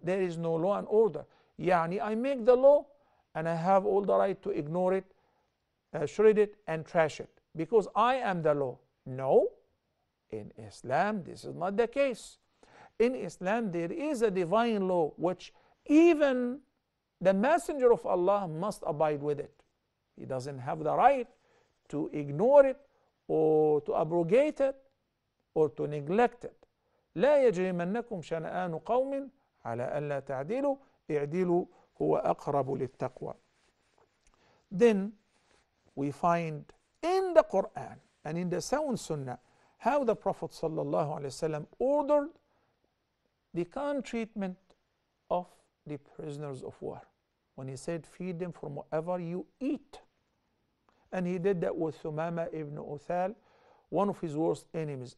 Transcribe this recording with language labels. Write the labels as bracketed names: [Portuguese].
[English] There is no law and order. Yani, I make the law and I have all the right to ignore it, shred it and trash it, because I am the law. No, in Islam, this is not the case. in Islam there is a divine law which even the Messenger of Allah must abide with it. He doesn't have the right to ignore it or to abrogate it or to neglect it. [Arabic] لا يجرمنكم شنآن قوم على أن لا تعدلوا اعدلوا هو أقرب للتقوى. [English] Then we find in the Quran and in the Sound Sunnah how the Prophet sallallahu alaihi wasallam ordered the kind treatment of the prisoners of war. When he said, feed them from whatever you eat. And he did that with Thumama ibn Uthal, one of his worst enemies.